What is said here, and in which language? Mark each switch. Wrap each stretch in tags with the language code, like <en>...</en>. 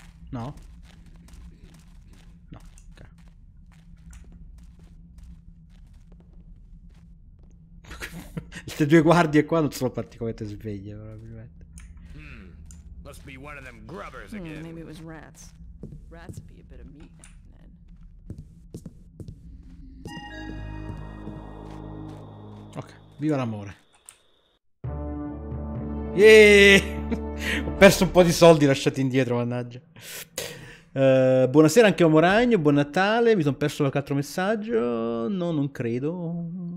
<it>No? No, ok. queste due guardie qua non sono particolarmente sveglie, probabilmente.</it> <en>Must be one of them grubbers again. Maybe it was rats. Rats would be a bit of meat then.</en> <it>Ok, viva l'amore.</it> <en>Yeah!</en> <it>Ho perso un po' di soldi lasciati indietro, mannaggia. Buonasera anche a Moragno, buon Natale. Mi sono perso qualche altro messaggio. No, non credo.</it>